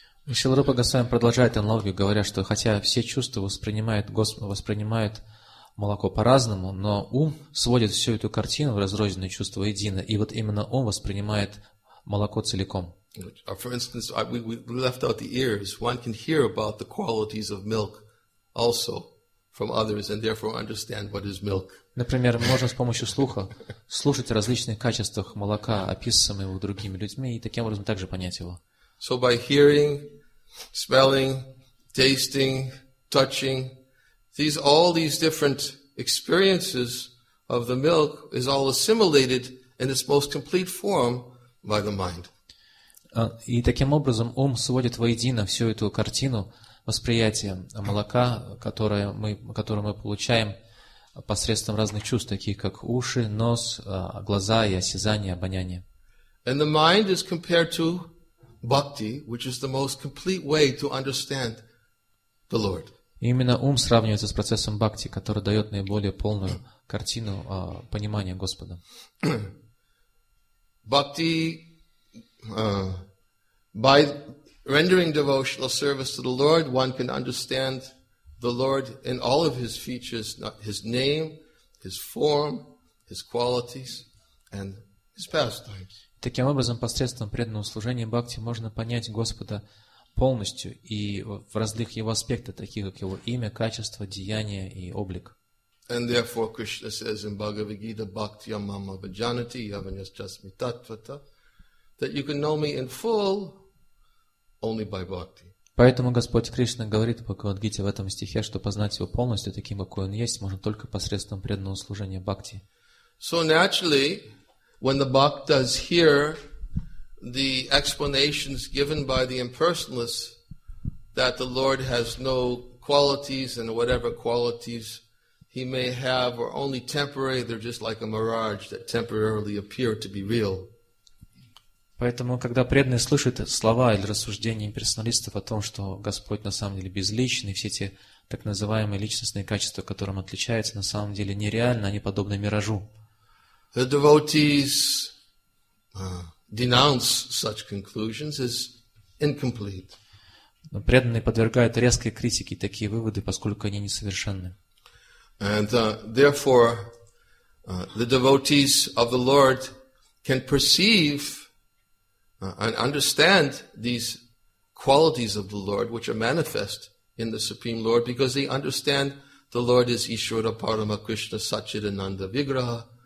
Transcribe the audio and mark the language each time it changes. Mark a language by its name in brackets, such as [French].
[Russian] Шрила Рупа Госвами продолжает аналогию, говоря, что хотя все чувства воспринимают, воспринимают молоко по-разному, но ум сводит всю эту картину в разрозненные чувства едино, и вот именно он воспринимает молоко целиком. [English] For instance, we left out the ears. One can hear about the qualities of milk also from others, and therefore understand what is milk. [Russian] Например, можно с помощью слуха слушать о различных качествах молока, описываемых другими людьми, и таким образом также понять его. [English] So by hearing, smelling, tasting, touching, these different experiences of the milk is all assimilated in its most complete form by the mind. [Russian] И таким образом ум сводит воедино всю эту картину восприятия молока, которое мы получаем посредством разных чувств, таких как уши, нос, глаза и осязание, обоняние. [English] And the mind is compared to bhakti, which is the most complete way to understand the Lord. [Russian] Именно ум сравнивается с процессом бхакти, который дает наиболее полную картину понимания Господа. [English] Bhakti, by rendering devotional service to the Lord, one can understand the Lord in all of His features, His name, His form, His qualities, and His pastimes. [Russian] Таким образом, посредством преданного служения бхакти можно понять Господа полностью и в различных его аспектах, таких как его имя, качество, деяния и облик. [English] And therefore Krishna says in Bhagavad Gita, [Sanskrit] bhaktya mama vajanati yavanyaschasmi tatvata, [English] that you can know me in full only by bhakti. [Russian] Поэтому Господь Кришна говорит в Бхагавад Гите в этом стихе, что познать его полностью таким, какой он есть, можно только посредством преданного служения бхакти. [English] So naturally, when the bhaktas hear the explanations given by the impersonalists that the Lord has no qualities and whatever qualities He may have are only temporary, they're just like a mirage that temporarily appear to be real. [Russian] Поэтому, когда преданные слышат слова или рассуждения имперсоналистов о том, что Господь на самом деле безличный, все эти так называемые личностные качества, которым отличаются, на самом деле нереально, они подобны миражу. [English] The devotees denounce such conclusions as incomplete. [Russian] Но преданные подвергают резкой критике такие выводы, поскольку они несовершенны. [English] And therefore, the devotees of the Lord can perceive and understand these qualities of the Lord, which are manifest in the Supreme Lord, because they understand the Lord is [Sanskrit] Ishvara Parama Krishna Satchidananda Vigraha.